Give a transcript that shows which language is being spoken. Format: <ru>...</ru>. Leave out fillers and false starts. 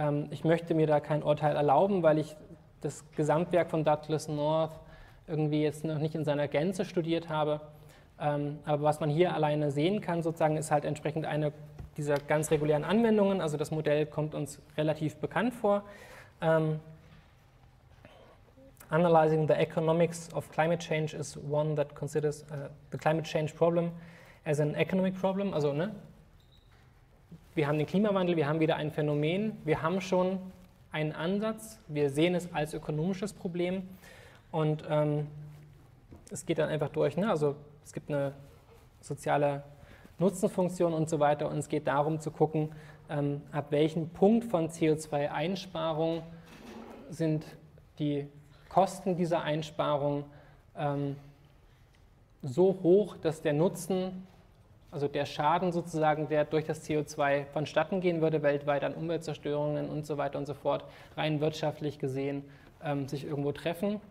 <de>Ich möchte mir da kein Urteil erlauben, weil ich das Gesamtwerk von Douglas North irgendwie jetzt noch nicht in seiner Gänze studiert habe. Aber was man hier alleine sehen kann, sozusagen, ist halt entsprechend eine dieser ganz regulären Anwendungen. Also das Modell kommt uns relativ bekannt vor.</de> <en>Analyzing the economics of climate change is one that considers the climate change problem as an economic problem.</en> <de>Also, ne? Wir haben den Klimawandel, wir haben wieder ein Phänomen, wir haben schon einen Ansatz, wir sehen es als ökonomisches Problem und es geht dann einfach durch. Ne? Also, es gibt eine soziale Nutzenfunktion und so weiter und es geht darum zu gucken, ab welchem Punkt von CO2-Einsparung sind die Kosten dieser Einsparung so hoch, dass der Nutzen, also der Schaden sozusagen, der durch das CO2 vonstatten gehen würde weltweit an Umweltzerstörungen und so weiter und so fort, rein wirtschaftlich gesehen, sich irgendwo treffen.</de>